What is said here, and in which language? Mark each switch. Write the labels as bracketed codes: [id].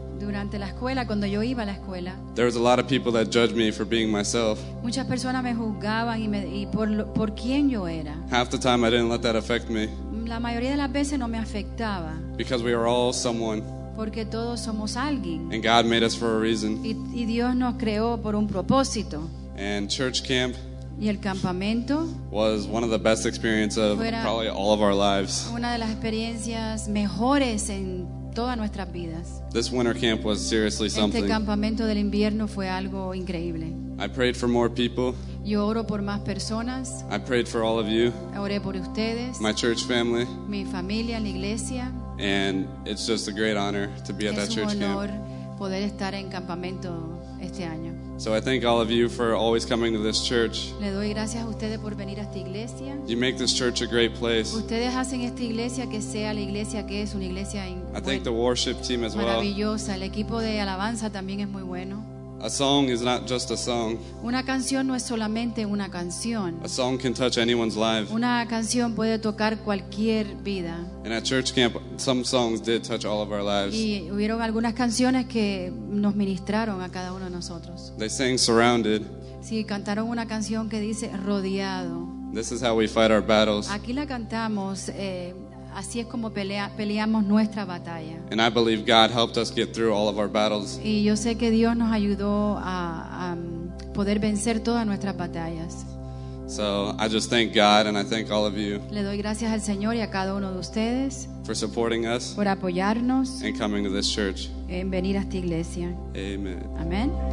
[es] durante la escuela, cuando yo iba a la escuela, [en] there was a lot of people that judged me for being myself. [es] Muchas personas me juzgaban y por quién yo era. [en] Half the time I didn't let that affect me. [es] La mayoría de las veces no me afectaba. [en] Because we are all someone. [es] Porque todos somos alguien. [en] And God made us for a reason. [es] Y Dios nos creó por un propósito. [en] And church camp. [es] Y el campamento. [en] Was one of the best experiences of probably all of our lives. [es] Una de las experiencias mejores en todas nuestras vidas. [en] This winter camp was seriously something. [es] Este campamento del invierno fue algo increíble. [en] I prayed for more people. [es] Yo oro por más personas. [en] I prayed for all of you. [es] Oré por ustedes. [en] My church family. [es] Mi familia, la iglesia. [en] And it's just a great honor to be at that church camp. [es] Es un honor poder estar en campamento este año. [en] So I thank all of you for always coming to this church. [es] Le doy gracias a ustedes por venir a esta iglesia. [en] You make this church a great place. [es] Ustedes hacen esta iglesia que sea la iglesia que es, una iglesia increíble. [en] I thank the worship team as well. [es] Maravillosa. El equipo de alabanza también es muy bueno. [en] A song is not just a song. [es] Una canción no es solamente una canción. [en] A song can touch anyone's life. [es] Una canción puede tocar cualquier vida. [en] And at church camp, some songs did touch all of our lives. [es] Y hubieron algunas canciones que nos ministraron a cada uno de nosotros. [en] They sang Surrounded. [es] Sí, cantaron una canción que dice Rodeado. [en] This is how we fight our battles. [es] Aquí la cantamos. Así es como peleamos nuestra batalla. [en] And I believe God helped us get through all of our battles. [es] Y yo sé que Dios nos ayudó a poder vencer todas nuestras batallas. [en] So I just thank God and I thank all of you. [es] Le doy gracias al Señor y a cada uno de ustedes. [en] For supporting us. [es] Por apoyarnos. [en] And coming to this church. [es] En venir a esta iglesia. [en] Amen. [es] Amen.